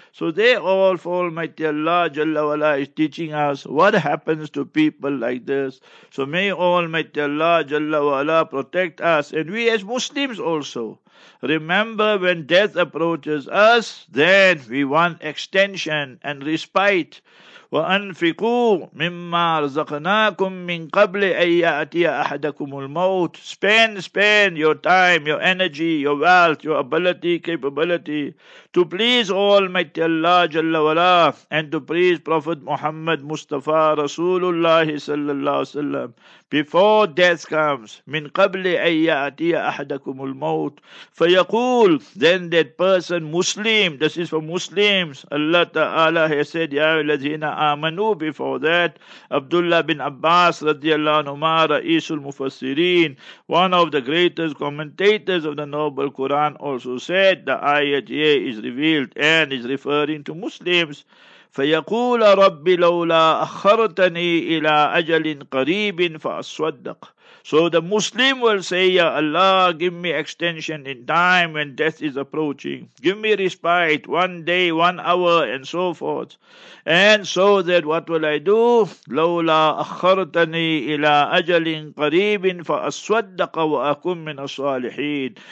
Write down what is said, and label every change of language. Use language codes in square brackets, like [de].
[en] So they all fall, Almighty Allah Jalla Wala is teaching us what happens to people like this. So may Almighty Allah Jalla Wala protect us, and we as Muslims also. Remember, when death approaches us, then we want extension and respite. [ar] وأنفقوا مما رزقناكم من قبل أن يأتي أحدكم الموت. [en] Spend your time, your energy, your wealth, your ability, capability to please Almighty Allah Jalla Wala and to please Prophet Muhammad Mustafa Rasulullah Sallallahu Sallam before death comes. [ar] من قبل أن يأتي أحدكم الموت فيقول. [en] Then that person Muslim, this is for Muslims, Allah Ta'ala has said [ar] يَا الَّذِينَ آمَنُوا [en] before that, Abdullah bin Abbas radiallahu anhu ma ra'isul mufassirin, one of the greatest commentators of the noble Quran, also said the ayat here is revealed and is referring to Muslims. [ar] فيقول ربي لولا أخرتني إلى أجل قريب فأصدق. [en] So the Muslim will say, Ya Allah, give me extension in time when death is approaching. Give me respite, 1 day, 1 hour, and so forth. And so that what will I do? [ar] لَوْلَا أَخَّرْتَنِي إِلَىٰ أَجَلٍ قَرِيبٍ فَأَصْوَدَّقَ وَأَكُمْ مِنَ الصَّالِحِينَ.